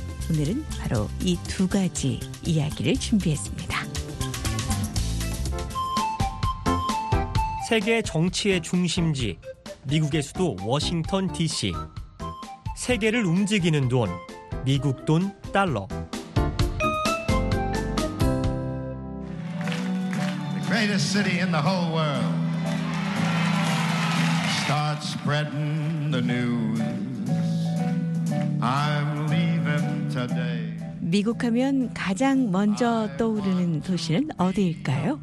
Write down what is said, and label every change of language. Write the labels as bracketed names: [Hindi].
[Korean] 오늘은 바로 이 두 가지 이야기를 준비했습니다. 세계 정치의 중심지, 미국의 수도 워싱턴 DC. 세계를 움직이는 돈, 미국 돈 달러. [English] The greatest city in the whole world. Start spreading the news. I'm leaving today. [Korean] 미국 하면 가장 먼저 떠오르는 도시는 어디일까요?